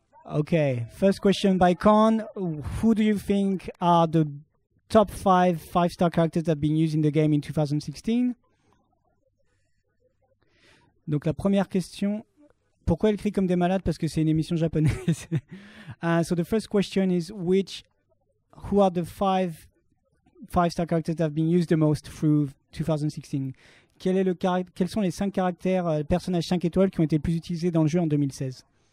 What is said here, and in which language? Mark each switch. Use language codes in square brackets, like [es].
[en] Okay, first question by Khan. Who do you think are the top five-star characters that have been used in the game in 2016? [fr] Donc la première question, pourquoi elle crie comme des malades? Parce que c'est une émission japonaise. [en] So the first question is, who are the five-star characters that have been used the most through 2016. [fr] Quels sont les 5 caractères, personnages 5 étoiles qui ont été le plus utilisés dans le jeu en 2016?